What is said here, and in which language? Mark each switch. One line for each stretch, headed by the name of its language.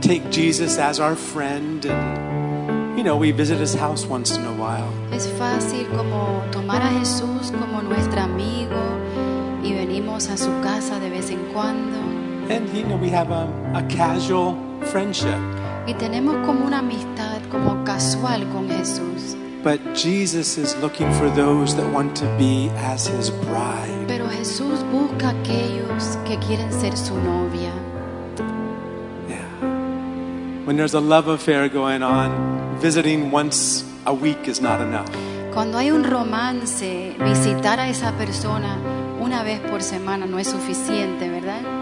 English: take Jesus as our friend, and you know, we visit his house once in a while.
Spanish: Es fácil como tomar a Jesús como nuestro amigo y venimos a su casa de vez en cuando.
English: And you know, we have a casual friendship.
Spanish: Y tenemos como una amistad como casual con Jesús.
English: But Jesus is looking for those that want to be as his bride.
Spanish: Pero Jesús busca aquellos que quieren ser su novia.
English: Yeah. When there's a love affair going on, visiting once a week is not enough.
Spanish: Cuando hay un romance, visitar a esa persona una vez por semana no es suficiente, ¿verdad?